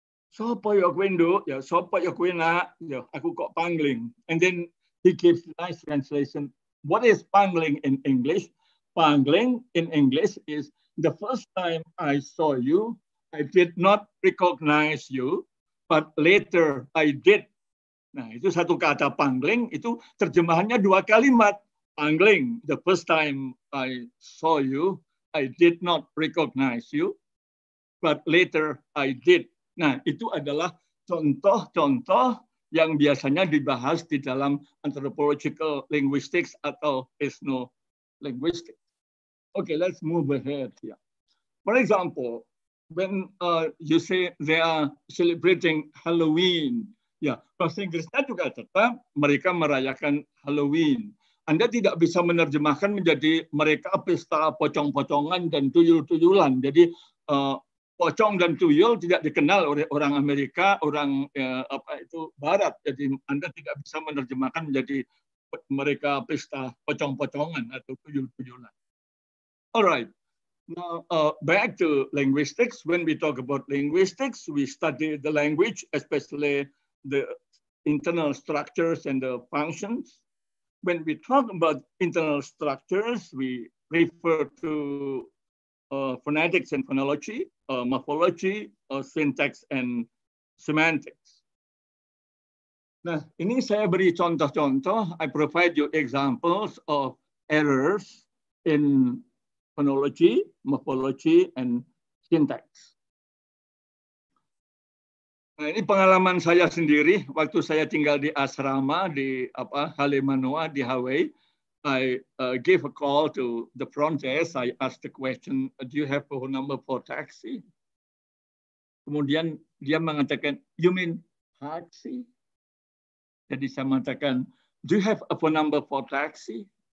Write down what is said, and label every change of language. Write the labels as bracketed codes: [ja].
[jv] Sopo yo kuindo, ya sopo yo kuina, yo aku kok pangling. [en] And then he gives nice translation. What is pangling in English? Pangling in English is the first time I saw you, I did not recognize you, but later I did. [id] Nah, itu satu kata pangling, itu terjemahannya dua kalimat. [en] Pangling, the first time I saw you, I did not recognize you, but later I did. [id] Nah, itu adalah contoh-contoh yang biasanya dibahas di dalam anthropological linguistics atau ethnolinguistics. [en] Okay, let's move ahead here. For example, when you say they are celebrating Halloween, ya, [id] bahasa Inggrisnya juga tetap mereka merayakan Halloween. Anda tidak bisa menerjemahkan menjadi mereka pesta pocong-pocongan dan tuyul-tuyulan. Jadi pocong dan tuyul tidak dikenal oleh orang Amerika, orang Barat. Jadi Anda tidak bisa menerjemahkan menjadi mereka pesta pocong-pocongan atau tuyul-tuyulan. [en] Alright. Now, back to linguistics. When we talk about linguistics, we study the language, especially the internal structures and the functions. When we talk about internal structures, we refer to phonetics and phonology, morphology, syntax, and semantics. [id] Nah, ini saya beri contoh-contoh. [en] I provide you examples of errors in phonology, morphology, and syntax. [id] Nah, ini pengalaman saya sendiri waktu saya tinggal di asrama di Halemanoa di Hawaii. [en] I gave a call to the front desk. I asked the question, "Do you have phone number for taxi?" [id] Kemudian dia mengatakan, [en] "You mean taxi?" [id] Jadi saya mengatakan, [en] "Do you have a phone number for taxi?